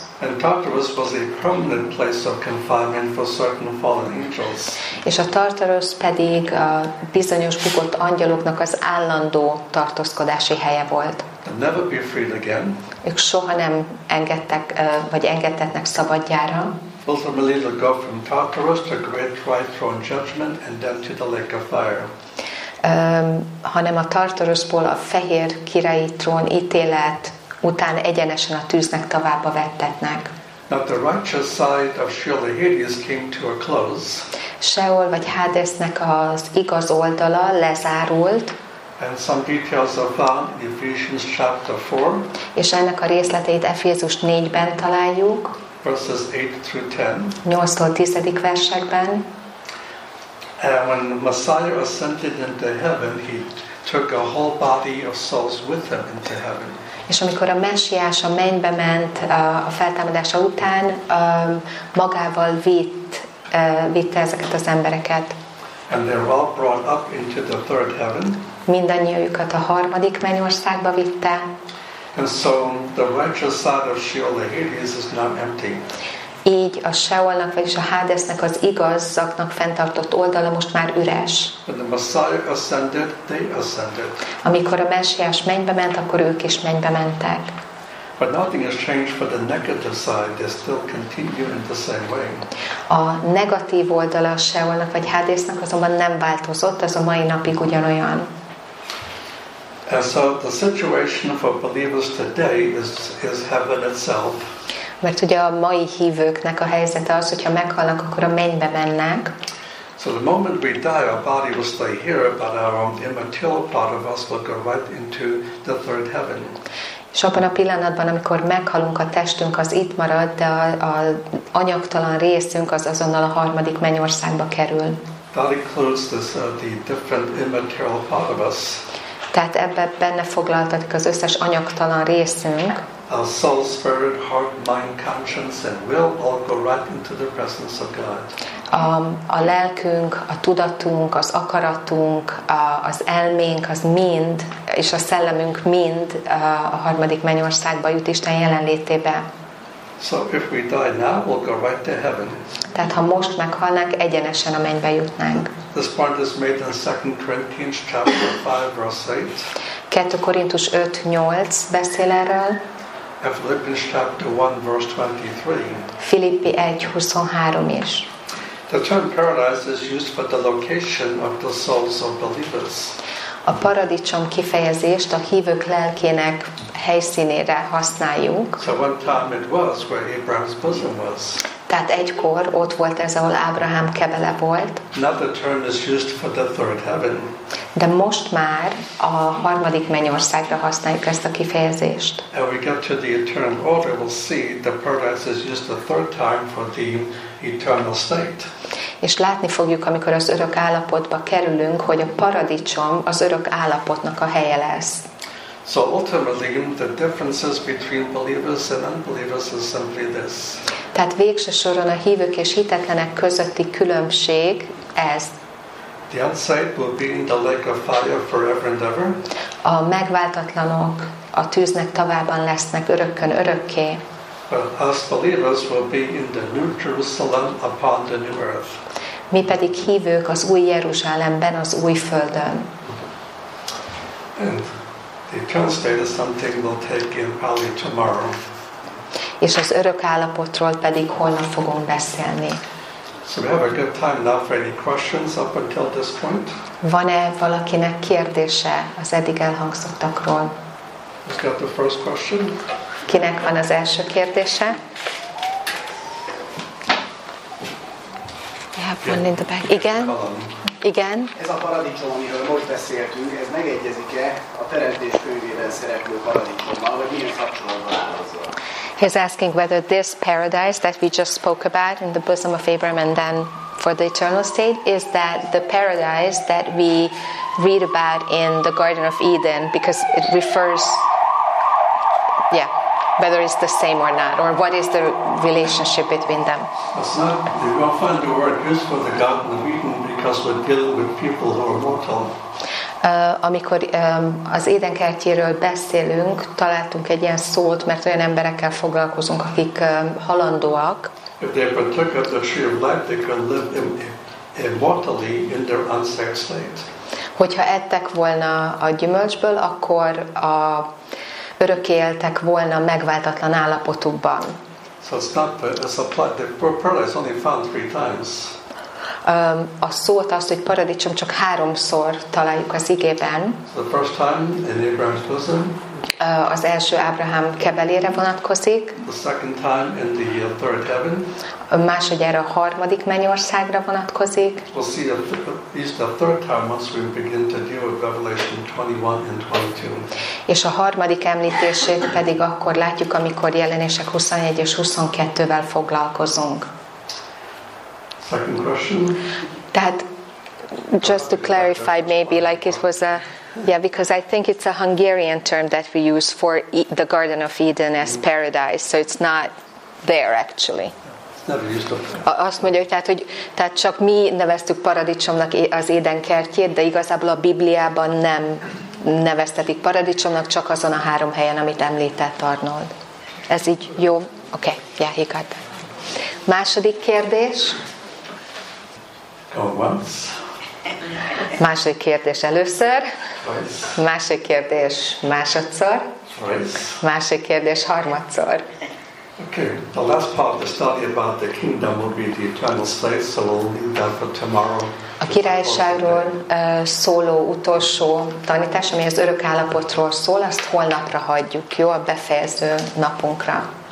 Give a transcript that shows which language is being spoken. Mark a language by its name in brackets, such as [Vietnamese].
[English] And Tartarus was a permanent place of confinement for certain fallen angels. [Hungarian] És a Tartarus pedig a bizonyos bukott angyaloknak az állandó tartózkodási helye volt. [English] They'll never be freed again. [Hungarian] Ők soha nem engedtek, vagy engedtetnek szabadjára. [English] Ultimately, they go from Tartarus to Great White Throne Judgment, and then to the Lake of Fire. [Hungarian] Hanem a Tartarusból a fehér királyi trón ítélet után egyenesen a tűznek tovább vettetnek. [English] Now the righteous side of Sheol and Hades came to a close. [Hungarian] Sheol vagy Hadesnek az igaz oldala lezárult. [English] And some details are found in Ephesians chapter 4. [Hungarian] És ennek a részleteit Efézus 4-ben találjuk. [English] Verses 8-10. [Hungarian] 8-10. Versekben. [English] And when Messiah ascended into heaven, he took a whole body of souls with him into heaven. [Hungarian] És amikor a Messiás a mennybe ment a feltámadása után, magával vitte ezeket az embereket. [English] And they were all brought up into the third heaven. [Hungarian] Mindannyiukat a harmadik mennyországba vitte. [English] And so the righteous side of Sheol and Hades is now empty. [Hungarian] Így a Sheolnak, vagyis a Hadesnek, az igazaknak fenntartott oldala most már üres. [English] When the Messiah ascended, they ascended. [Hungarian] Amikor a Messiás mennybe ment, akkor ők is mennybe mentek. [English] But nothing has changed for the negative side. They still continue in the same way. [Hungarian] A negatív oldala a Sheolnak, vagy Hadesnek azonban nem változott, ez a mai napig ugyanolyan. [English] And so the situation for believers today is heaven itself. [Hungarian] Mert ugye a mai hívőknek a helyzete az, hogyha meghalnak, akkor a mennybe mennek. [English] So the moment we die, our body will stay here, but our immaterial part of us will go right into the third heaven. [Hungarian] És abban a pillanatban, amikor meghalunk, a testünk az itt marad, de az anyagtalan részünk az azonnal a harmadik mennyországba kerül. [English] That includes this, the different immaterial part of us. [Hungarian] Tehát ebbe benne foglaltatik az összes anyagtalan részünk. [English] Our soul, spirit, heart, mind, conscience, and will all go right into the presence of God. [Hungarian] A lelkünk, a tudatunk, az akaratunk, az elménk, az mind, és a szellemünk mind a harmadik mennyországba jut Isten jelenlétébe. [English] So if we die now, we'll go right to heaven. [Hungarian] Tehát ha most meghalnak, egyenesen a mennybe jutnánk. [English] This point is made in 2 Corinthians chapter 5, verse 8. [Hungarian] 2 Korintus 5:8 beszél erről. [English] And Philippians chapter 1, verse 23. [Hungarian] Filippi 1:23 is. [English] The term paradise is used for the location of the souls of believers. [Hungarian] A paradicsom kifejezést a hívők lelkének helyszínére használjuk. [English] So one time it was where Abraham's bosom was. [Hungarian] Tehát egykor ott volt ez, ahol Ábrahám kebele volt. [English] Now the term is used for the third heaven. [Hungarian] De most már a harmadik mennyországra használjuk ezt a kifejezést. [English] And we get to the eternal order, we'll see the paradise is used a third time for the eternal state. [Hungarian] És látni fogjuk, amikor az örök állapotba kerülünk, hogy a paradicsom az örök állapotnak a helye lesz. [English] So ultimately, the differences between believers and unbelievers is simply this. [Hungarian] Tehát végső soron a hívők és hitetlenek közötti különbség ez. [English] The outside will be in the lake of fire forever and ever. [Hungarian] A megváltatlanok a tűznek tavában lesznek örökkön örökké. [English] Us believers will be in the new Jerusalem upon the new earth. [Hungarian] Mi pedig hívők az új Jeruzsálemben, az új földön. [English] And the eternal state is something we'll take in probably tomorrow. [Hungarian] És az örök állapotról pedig holnap fogunk beszélni. [English] So we have a good time now for any questions up until this point. [Hungarian] Van-e valakinek kérdése az eddig elhangzottakról? [English] Who's got the first question? [Hungarian] Kinek van az első kérdése? [English] I have one in the back. [Hungarian] Igen? Igen? Ez a paradicsom, amiről most beszéltünk, ez megegyezik-e a Teremtés könyvében szereplő paradicsommal, vagy milyen kapcsolatban áll azzal? [English] He's asking whether this paradise that we just spoke about in the bosom of Abraham and then for the eternal state, is that the paradise that we read about in the Garden of Eden, because it refers, yeah, whether it's the same or not, or what is the relationship between them? It's not, you won't find the word used for the Garden of Eden because we're dealing with people who are mortal. [Hungarian] Amikor az Édenkertjéről beszélünk, találtunk egy ilyen szót, mert olyan emberekkel foglalkozunk, akik halandóak. [English] If they partook of the tree of life, they could live immortally in their unsexed state. [Hungarian] Hogyha ettek volna a gyümölcsből, akkor örökké éltek volna megváltatlan állapotukban. [English] So it's not it's a plot. The paradise only found three times. [Hungarian] A szót, azt, hogy paradicsom, csak háromszor találjuk az igében. [English] The first time in Abraham's bosom. [Hungarian] Az első Ábrahám kebelére vonatkozik. [English] The second time in the third heaven. [Hungarian] Másodjára a harmadik mennyországra vonatkozik. [English] We'll see at least the third time once we begin to deal with Revelation 21 and 22. [Hungarian] És a harmadik említését pedig akkor látjuk, amikor Jelenések 21 és 22-vel foglalkozunk. [English] Second question. That, just to clarify, maybe like it was a, yeah, because I think it's a Hungarian term that we use for the Garden of Eden as paradise, so it's not there actually. Never used. [Hungarian] Azt mondja, hogy tehát csak mi neveztük paradicsomnak az Édenkertjét, de igazából a Bibliában nem neveztetik paradicsomnak, csak azon a három helyen, amit említett Arnold. Ez így jó? [English] Okay, yeah, he got that. [Hungarian] Második kérdés. [English] Once. [Hungarian] Második kérdés először. [English] Twice. [Hungarian] Második kérdés másodszor. [English] Twice. [Hungarian] Második kérdés harmadszor. [English] Okay, the last part of the study about the kingdom will be the eternal state, so we'll leave that for tomorrow. [Hungarian] A királyságról szóló utolsó tanítás, ami az örök állapotról szól, azt holnapra hagyjuk, jó, a befejező napunkra.